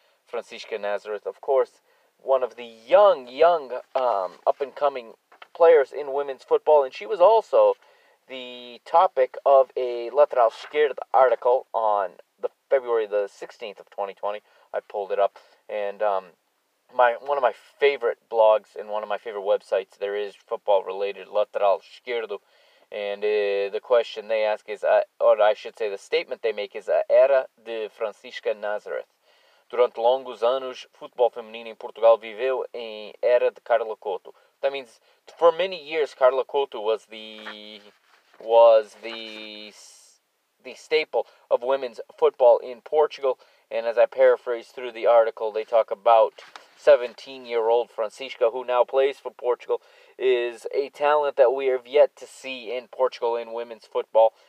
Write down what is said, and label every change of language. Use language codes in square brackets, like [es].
[en] Francisca Nazareth, of course, one of the young, up-and-coming players in women's football, and she was also the topic of a Lateral Esquerda article on the February the 16th of 2020. I pulled it up, and one of my favorite blogs and one of my favorite websites there is football-related, Lateral Esquerdo, and the question they ask is, or I should say the statement they make is, [pt] a Era de Francisca Nazareth. Durante longos anos, futebol feminino em Portugal viveu em era de Carla Couto. [en] That means, for many years, Carla Couto was the staple of women's football in Portugal. And as I paraphrase through the article, they talk about 17-year-old Francisca, who now plays for Portugal, is a talent that we have yet to see in Portugal in women's football.